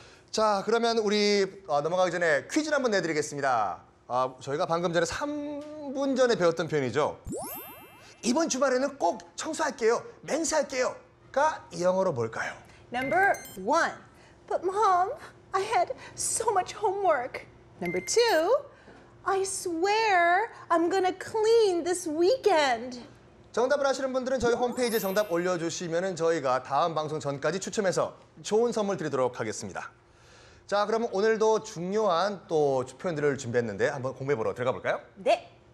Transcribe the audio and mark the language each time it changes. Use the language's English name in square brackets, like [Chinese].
[Korean] 자, 그러면 우리 넘어가기 전에 퀴즈 한번 내드리겠습니다. 저희가 방금 전에 3분 전에 배웠던 표현이죠. 이번 주말에는 꼭 청소할게요, 맹세할게요, 가 영어로 뭘까요? [English] Number one, but mom, I had so much homework. Number two, I swear I'm gonna clean this weekend. [Korean] 정답을 아시는 분들은 저희 홈페이지에 정답 올려주시면 저희가 다음 방송 전까지 추첨해서 좋은 선물 드리도록 하겠습니다. 자, 그러면 오늘도 중요한 또 표현들을 준비했는데 한번 공부해보러 들어가 볼까요? 네.